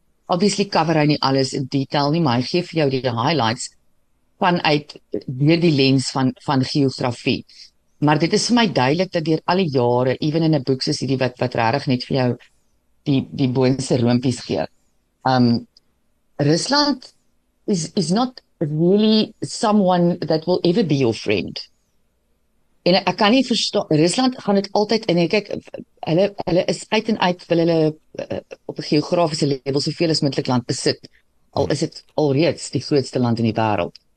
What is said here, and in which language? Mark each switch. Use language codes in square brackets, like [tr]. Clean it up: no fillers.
[af] Obviously cover hy nie alles in detail nie, maar hy gee vir jou die highlights vanuit deur die lens van geografie. Maar dit is vir my duidelik dat deur al die jare, even in 'n boek soos hierdie wat regtig net vir jou die boonste roompies gee. [en] Rusland is not really someone that will ever be your friend. [af] En ek kan nie verstaan, Rusland gaan dit altyd in, kyk, hulle is uit en uit, wil hulle op 'n geografiese level soveel as moontlik land besit, al is dit alreeds die grootste land in die wêreld.